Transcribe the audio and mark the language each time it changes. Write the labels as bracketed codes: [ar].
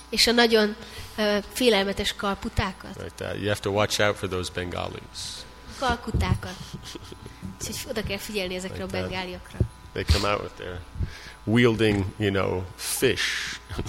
[hu] És a nagyon félelmetes Kalkutákat. [en] Like that. You have to watch out for those Bengalis. [hu] Kalkutákat. Úgyhogy oda kell figyelni ezekre like a bengáliakra. [en] They come out with their wielding, you know, fish.